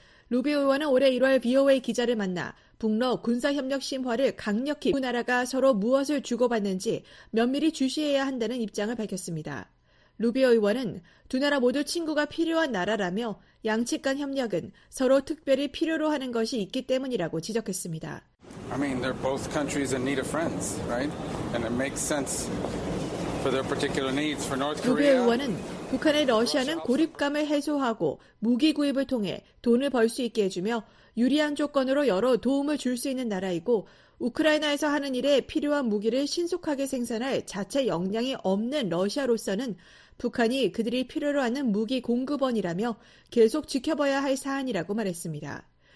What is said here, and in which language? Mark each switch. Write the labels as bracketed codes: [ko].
[ko] 루비오 의원은 올해 1월 VOA 기자를 만나 북러 군사협력 심화를 강력히 두 나라가 서로 무엇을 주고받는지 면밀히 주시해야 한다는 입장을 밝혔습니다. 루비오 의원은 두 나라 모두 친구가 필요한 나라라며 양측 간 협력은 서로 특별히 필요로 하는 것이 있기 때문이라고 지적했습니다. [en] I mean, they're both countries in need of friends, right? And it makes sense for their particular needs for North Korea. [ko] 루비오 의원은 북한의 러시아는 고립감을 해소하고 무기 구입을 통해 돈을 벌 수 있게 해주며 유리한 조건으로 여러 도움을 줄 수 있는 나라이고 우크라이나에서 하는 일에 필요한 무기를 신속하게 생산할 자체 역량이 없는 러시아로서는 북한이 그들이 필요로 하는 무기 공급원이라며 계속 지켜봐야 할 사안이라고 말했습니다.